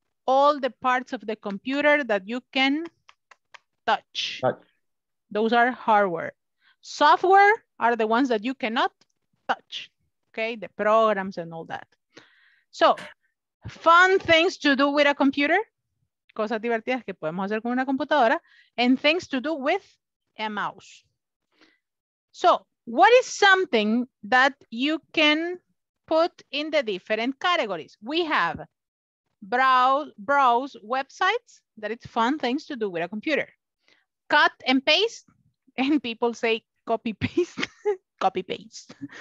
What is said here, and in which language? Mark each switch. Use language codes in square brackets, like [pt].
[en] All the parts of the computer that you can touch. Touch. Those are hardware. Software are the ones that you cannot touch. Okay, the programs and all that. So, fun things to do with a computer. [es] Cosas divertidas que podemos hacer con una computadora. [en] And things to do with a mouse. So, what is something that you can put in the different categories? We have browse websites, that it's fun things to do with a computer. Cut and paste, and people say copy paste, copy paste.